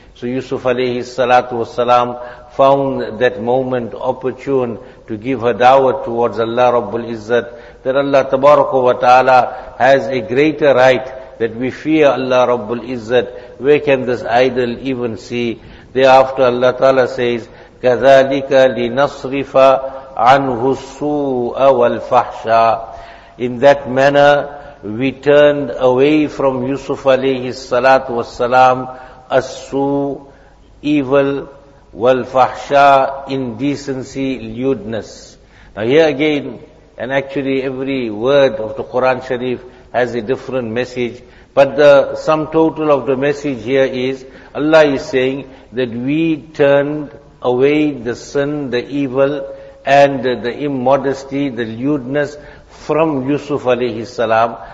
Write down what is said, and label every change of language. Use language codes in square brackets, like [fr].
[en] So Yusuf alayhi salatu wasalam found that moment opportune to give her dawah towards Allah Rabbul Izzat, that Allah tabaraka wa ta'ala has a greater right that we fear Allah Rabbul Izzat. Where can this idol even see? Thereafter Allah ta'ala says, [ar] كَذَلِكَ لِنَصْرِفَ عَنْهُ السُّوءَ وَالْفَحْشَى. [en] In that manner, we turned away from Yusuf alayhi salatu wasalam as-su, evil, wal-fahsha, indecency, lewdness. Now here again, and actually every word of the Quran Sharif has a different message, but the sum total of the message here is, Allah is saying that we turned away the sin, the evil, and the immodesty, the lewdness from Yusuf alayhi salam.